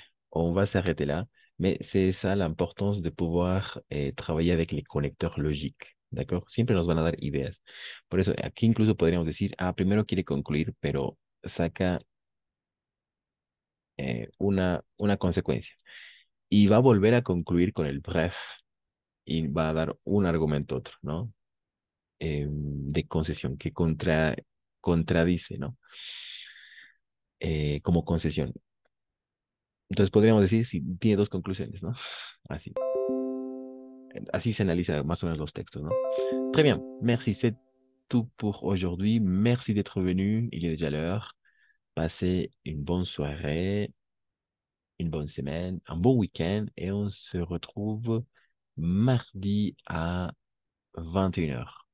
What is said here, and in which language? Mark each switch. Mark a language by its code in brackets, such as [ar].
[fr] On va s'arrêter là, mais c'est ça l'importance de pouvoir travailler avec les connecteurs logiques. [es] D'accord? Siempre nos van a dar ideas. Por eso, aquí incluso podríamos decir, ah, primero quiere concluir, pero saca una consecuencia. Y va a volver a concluir con el bref y va a dar un argumento otro, ¿no? De concesión, que contradice, ¿no? Como concesión. Entonces podríamos decir si sí, tiene dos conclusiones, ¿no? Así. Así se analiza más o menos los textos, ¿no? [fr] Très bien. Merci, c'est tout pour aujourd'hui. Merci d'être venu. Il est déjà l'heure. Passez une bonne soirée, une bonne semaine, un bon week-end et on se retrouve mardi à 21h.